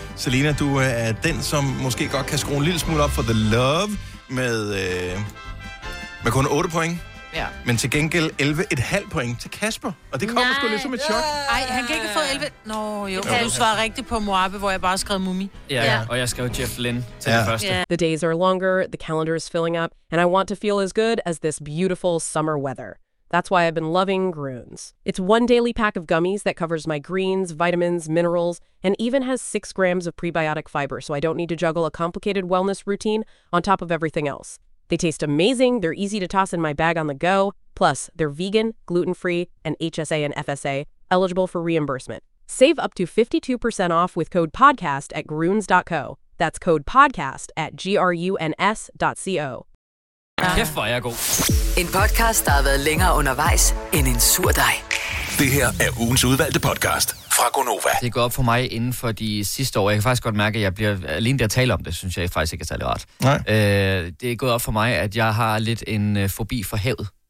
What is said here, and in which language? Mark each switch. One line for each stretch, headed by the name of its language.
Danish: Selina, du er den, som måske godt kan skrue en lille smule op for The Love med kun 8 point. Ja. Men til gengæld 11,5 point til Kasper. Og det kommer sgu lidt som et chok. Nej, han kan ikke få 11. Nå, jo. Okay. Du svarer rigtigt på Mwabe, hvor jeg bare skrev Mumi. Ja. Og jeg skrev Jeff Lynne til det første.
English: Yeah. The days are longer, the calendar is filling up, and I want to feel as good as this beautiful summer weather. That's why I've been loving Grunes. It's one daily pack of gummies that covers my greens, vitamins, minerals, and even has 6 grams of prebiotic fiber, so I don't need to juggle a complicated wellness routine on top of everything else. They taste amazing, they're easy to toss in my bag on the go, plus they're vegan, gluten-free, and HSA and FSA, eligible for reimbursement. Save up to 52% off with code PODCAST at Grunes.co. That's code PODCAST at GRUNS.co.
Danish: Kæft, hvor er jeg god. En podcast, der har været længere undervejs end en sur dej. Det her er ugens udvalgte podcast fra Gonova. Det går op for mig inden for de sidste år. Jeg kan faktisk godt mærke, at jeg bliver alene der at tale om det, synes jeg faktisk ikke er særlig rart. Nej. Det er gået op for mig, at jeg har lidt en fobi for havet.